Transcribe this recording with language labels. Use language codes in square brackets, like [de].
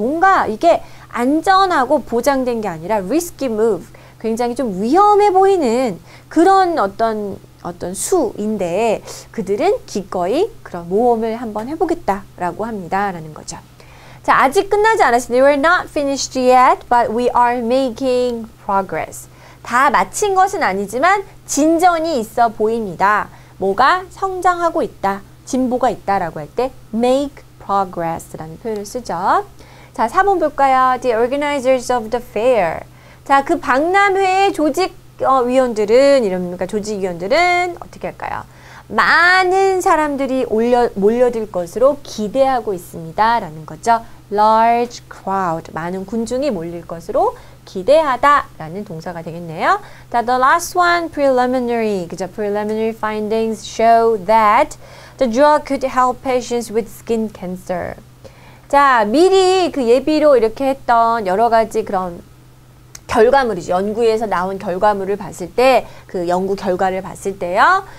[ko] 뭔가 이게 안전하고 보장된 게 아니라 [en] risky move. [ko] 굉장히 좀 위험해 보이는 그런 어떤 수인데 그들은 기꺼이 그런 모험을 한번 해보겠다라고 합니다라는 거죠. 자, 아직 끝나지 않았어요. [en] We're not finished yet, but we are making progress. [ko] 다 마친 것은 아니지만 진전이 있어 보입니다. 뭐가 성장하고 있다, 진보가 있다라고 할 때 [en] make progress [ko] 라는 표현을 쓰죠. 자, 4번 볼까요? [en] The organizers of the fair. [ko] 자, 그 박람회의 조직위원들은 어떻게 할까요? 많은 사람들이 몰려들 것으로 기대하고 있습니다. 라는 거죠. [en] Large crowd. [ko] 많은 군중이 몰릴 것으로 기대하다. 라는 동사가 되겠네요. 자, [en] the last one, preliminary. [ko] 그죠? [en] Preliminary findings show that the drug could help patients with skin cancer. [ko] 자, 미리 그 예비로 이렇게 했던 여러 가지 그런 결과물이죠. 연구에서 나온 결과물을 봤을 때, 그 연구 결과를 봤을 때요.